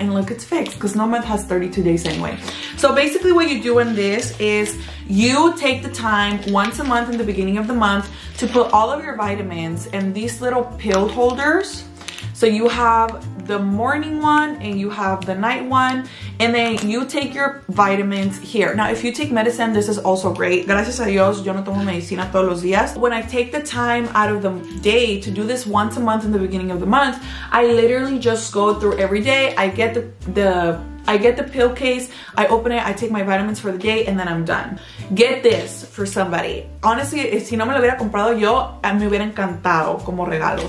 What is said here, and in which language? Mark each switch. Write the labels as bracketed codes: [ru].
[en] And look, it's fixed because no month has 32 days anyway. So basically what you do in this is you take the time once a month in the beginning of the month to put all of your vitamins in these little pill holders. So you have the morning one and you have the night one, and then you take your vitamins here. Now, if you take medicine, this is also great. [es] Gracias a Dios, yo no tomo medicina todos los días. [en] When I take the time out of the day to do this once a month in the beginning of the month, I literally just go through every day. I get the I get the pill case, I open it, I take my vitamins for the day, and then I'm done. Get this for somebody. Honestly, [es] si no me lo hubiera comprado yo, me hubiera encantado como regalo.